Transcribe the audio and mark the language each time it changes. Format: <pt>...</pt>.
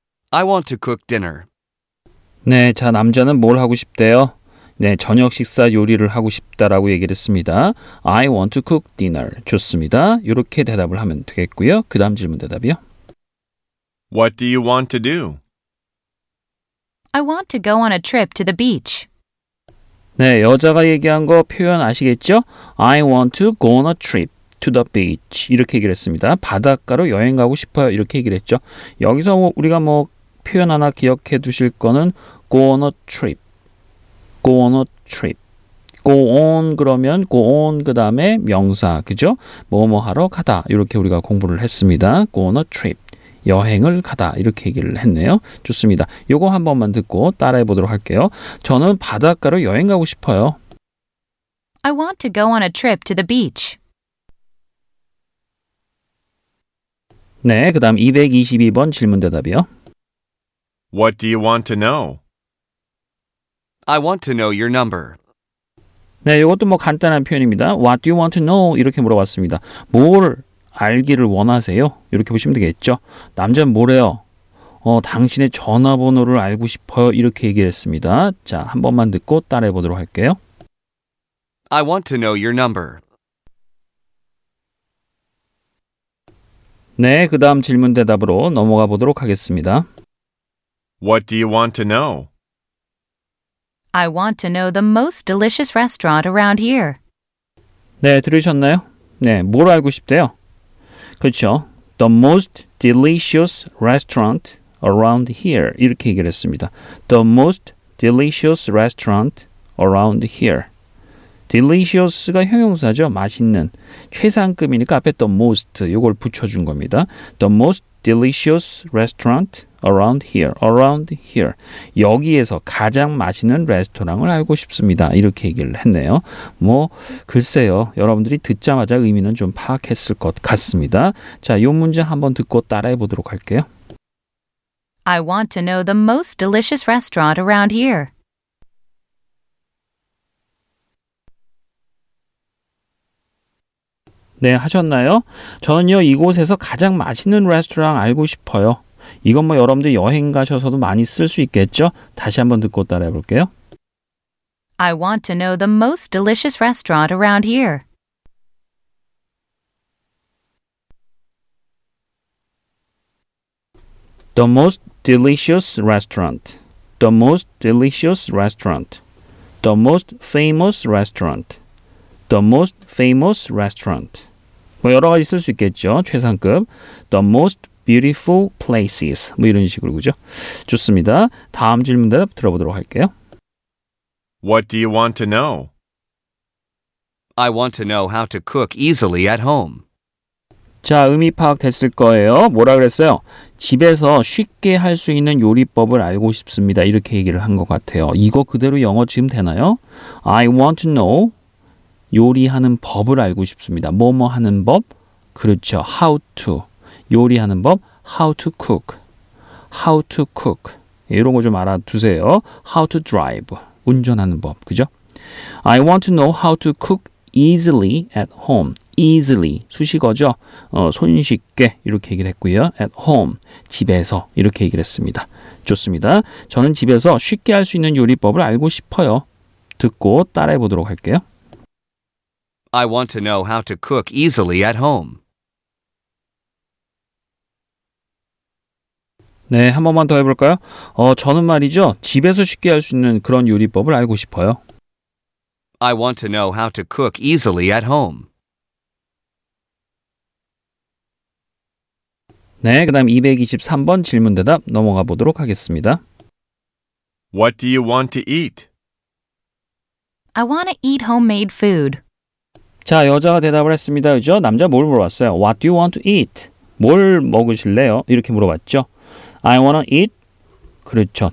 <en>I want to cook dinner.</en> <ko>네, 자, 남자는 뭘 하고 싶대요? 네, 저녁 식사 요리를 하고 싶다라고 얘기를 했습니다.</ko> <en>I want to cook dinner.</en> <ko>좋습니다. 이렇게 대답을 하면 되겠고요. 그 다음 질문 대답이요.</ko> <en>What do you want to do? I want to go on a trip to the beach.</en> <ko>네, 여자가 얘기한 거 표현 아시겠죠?</ko> <en>I want to go on a trip. To the beach.</en> <ko>이렇게 얘기를 했습니다. 바닷가로 여행 가고 싶어요. 이렇게 얘기를 했죠. 여기서 우리가 뭐 표현 하나 기억해 두실 거는</ko> <en>go on a trip. Go on a trip.</en> <ko>Go on 그러면 go on 그 다음에 명사. 그죠? 뭐뭐 하러 가다. 이렇게 우리가 공부를 했습니다.</ko> <en>Go on a trip.</en> <ko>여행을 가다. 이렇게 얘기를 했네요. 좋습니다. 이거 한 번만 듣고 따라해 보도록 할게요. 저는 바닷가로 여행 가고 싶어요.</ko> <en>I want to go on a trip to the beach.</en> <ko>네, 그 다음 222번 질문 대답이요.</ko> <en>What do you want to know? I want to know your number.</en> <ko>네, 이것도 뭐 간단한 표현입니다.</ko> <en>What do you want to know?</en> <ko>이렇게 물어봤습니다. 뭘 알기를 원하세요? 이렇게 보시면 되겠죠. 남자는 뭐래요? 당신의 전화번호를 알고 싶어요. 이렇게 얘기를 했습니다. 자, 한 번만 듣고 따라해 보도록 할게요.</ko> <en>I want to know your number.</en> <ko>네, 그 다음 질문 대답으로 넘어가 보도록 하겠습니다.</ko> <en>What do you want to know? I want to know the most delicious restaurant around here.</en> <ko>네, 들으셨나요? 네, 뭘 알고 싶대요? 그렇죠.</ko> <en>The most delicious restaurant around here.</en> <ko>이렇게 얘기를 했습니다.</ko> <en>The most delicious restaurant around here.</en> <ko>Delicious가 형용사죠. 맛있는. 최상급이니까 앞에 the most 이걸 붙여준 겁니다.</ko> <en>The most delicious restaurant around here. Around here.</en> <ko>여기에서 가장 맛있는 레스토랑을 알고 싶습니다. 이렇게 얘기를 했네요. 뭐 글쎄요. 여러분들이 듣자마자 의미는 좀 파악했을 것 같습니다. 자, 이 문제 한번 듣고 따라해 보도록 할게요.</ko> <en>I want to know the most delicious restaurant around here.</en> <ko>네, 하셨나요? 저는요, 이곳에서 가장 맛있는 레스토랑 알고 싶어요. 이건 뭐 여러분들 여행 가셔서도 많이 쓸 수 있겠죠? 다시 한번 듣고 따라해 볼게요.</ko> <en>I want to know the most delicious restaurant around here. The most famous restaurant.</en> <ko>뭐 여러 가지 쓸 수 있겠죠. 최상급.</ko> <en>The most beautiful places.</en> <ko>뭐 이런 식으로 그죠? 좋습니다. 다음 질문 대답 들어보도록 할게요.</ko> <en>What do you want to know? I want to know how to cook easily at home.</en> <ko>자, 의미 파악 됐을 거예요. 뭐라 그랬어요? 집에서 쉽게 할 수 있는 요리법을 알고 싶습니다. 이렇게 얘기를 한 것 같아요. 이거 그대로 영어 지금 되나요?</ko> <en>I want to know.</en> <ko>요리하는 법을 알고 싶습니다. 뭐뭐 하는 법? 그렇죠. How to. 요리하는 법?</ko> <en>How to cook. How to cook.</en> <ko>이런 거 좀 알아두세요.</ko> <en>How to drive.</en> <ko>운전하는 법. 그죠?</ko> <en>I want to know how to cook easily at home.</en> <ko>Easily. 수식어죠? 손쉽게. 이렇게 얘기를 했고요. At home. 집에서. 이렇게 얘기를 했습니다. 좋습니다. 저는 집에서 쉽게 할 수 있는 요리법을 알고 싶어요. 듣고 따라해 보도록 할게요.</ko> <en>I want to know how to cook easily at home.</en> <ko>네, 한 번만 더 해볼까요? 저는 말이죠. 집에서 쉽게 할 수 있는 그런 요리법을 알고 싶어요.</ko> <en>I want to know how to cook easily at home.</en> <ko>네, 그 다음 223번 질문 대답 넘어가 보도록 하겠습니다.</ko> <en>What do you want to eat? I want to eat homemade food.</en> <ko>자, 여자가 대답을 했습니다. 그죠? 남자 뭘 물어봤어요?</ko> <en>What do you want to eat?</en> <ko>뭘 먹으실래요? 이렇게 물어봤죠.</ko> <en>I want to eat.</en> <ko>그렇죠.</ko>